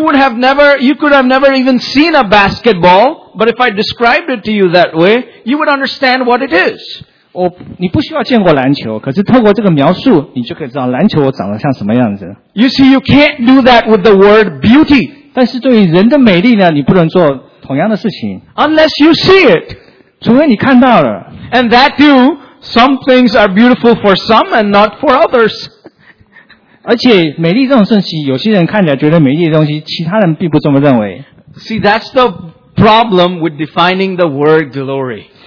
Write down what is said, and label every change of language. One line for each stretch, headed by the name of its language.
English: would have never, you could have never even seen a basketball, but if I described it to you that way, you would understand what it is.
Chinese: 你不需要见过篮球，可是透过这个描述，你就可以知道篮球长得像什么样子。
English: You see, you can't do that with the word beauty.
Chinese: 但是对于人的美丽呢，你不能做同样的事情。
English: Unless you see it.
Chinese: 除非你看到了。
English: And that too, some things are beautiful for some and not for others.
Chinese: 而且美丽这种事情，有些人看起来觉得美丽的东西，其他人并不这么认为。
English: See, that's the problem with defining the word glory.